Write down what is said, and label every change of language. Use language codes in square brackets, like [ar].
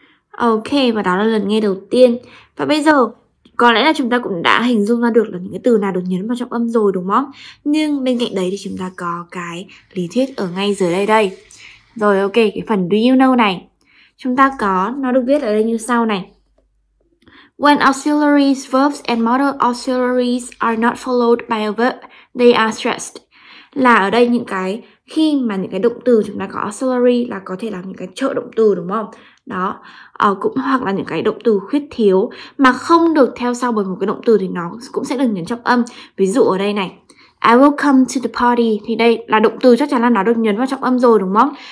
[vi] Ok, và đó là lần nghe đầu tiên. Và bây giờ, có lẽ là chúng ta cũng đã hình dung ra được là những cái từ nào được nhấn vào trọng âm rồi đúng không? Nhưng bên cạnh đấy thì chúng ta có cái lý thuyết ở ngay dưới đây đây. Rồi ok, cái phần [en] do you know [vi] này. Chúng ta có, nó được viết ở đây như sau này. [en] When auxiliaries, verbs and modal auxiliaries are not followed by a verb, they are stressed. [vi] Là ở đây những cái, khi mà những cái động từ chúng ta có auxiliary là có thể là những cái trợ động từ đúng không? Đó, cũng hoặc là những cái động từ khuyết thiếu mà không được theo sau bởi một cái động từ thì nó cũng sẽ được nhấn trọng âm. Ví dụ ở đây này, [en] I will come to the party. [vi] Thì đây là động từ chắc chắn là nó được nhấn vào trọng âm rồi đúng không?